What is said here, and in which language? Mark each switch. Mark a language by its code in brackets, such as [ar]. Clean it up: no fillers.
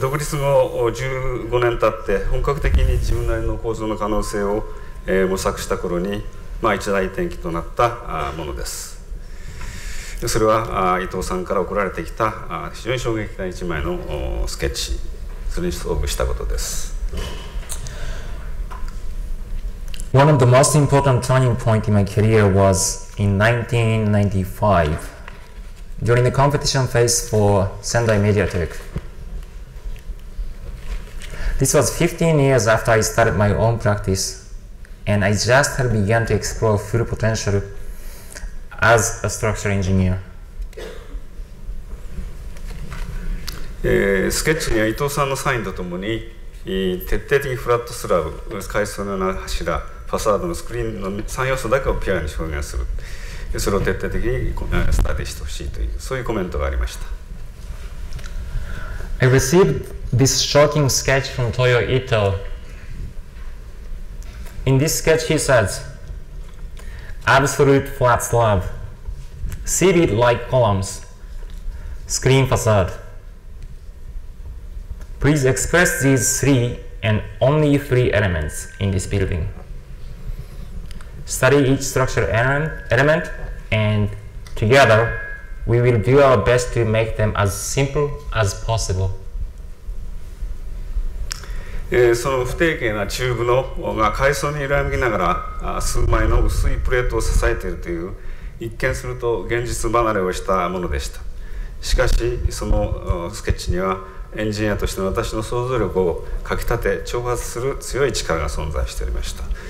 [ja] 独立後15年経って本格的に自分なりの構造の可能性を模索した頃に、まあ、一大転機となったものです。それは伊藤さんから送られてきた非常に衝撃的な一枚のスケッチ、それに遭遇したことです。 [en] One of the most important turning points in my career was in 1995, during the competition phase for Sendai Mediateque. This was 15 years after I started my own practice, and I just had begun to explore full potential as a structural engineer. [ja] スケッチには伊藤さんのサインとともに、徹底的にフラットスラブ、階層のような柱、ファサードのスクリーンの3要素だけをピュアに表現する、それを徹底的にスタディしてほしいという、そういうコメントがありました。 [en] I received this shocking sketch from Toyo Ito. In this sketch, he says, absolute flat slab, seabed-like columns, screen facade. Please express these three and only three elements in this building. Study each structural element, and together we will do our best to make them as simple as possible. [ja] その不定形なチューブのが階層に揺らぎながら数枚の薄いプレートを支えているという一見すると現実離れをしたものでした。しかしそのスケッチにはエンジニアとしての私の想像力をかきたて挑発する強い力が存在しておりました。